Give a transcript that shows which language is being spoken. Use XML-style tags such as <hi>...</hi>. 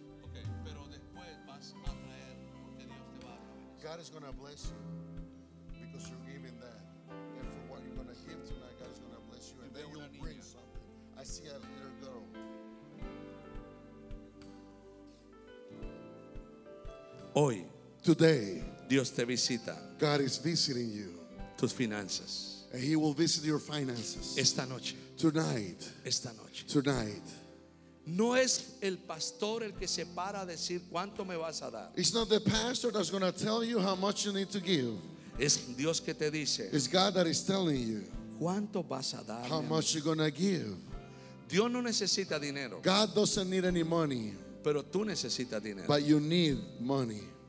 <es>Okay, pero después vas a traer porque Dios te va a dar.</es> <en>God is going to bless you because you're giving that. And for what you're going to give tonight, God is going to bless you. And then you'll bring some. I see a little girl.</en> <es>Hoy,</es> <en>today,</en> <es>Dios te visita.</es> <en>God is visiting you.</en> <es>Tus finanzas.</es> <en>And he will visit your finances.</en> <es>Esta noche.</es> <en>Tonight.</en> <es>Esta noche.</es> <en>Tonight.</en> <es>No es el pastor el que se para a decir cuánto me vas a dar.</es> <en>It's not the pastor that's going to tell you how much you need to give.</en> <es>Es Dios que te dice.</es> <en>It's God that is telling you.</en> <es>¿Cuánto vas a dar?</es> <en>How much you're going to give?</en> <es>Dios no necesita dinero.</es> <en>God doesn't need any money.</en> <es>Pero tú necesitas dinero.</es> <en>But you need money.</en>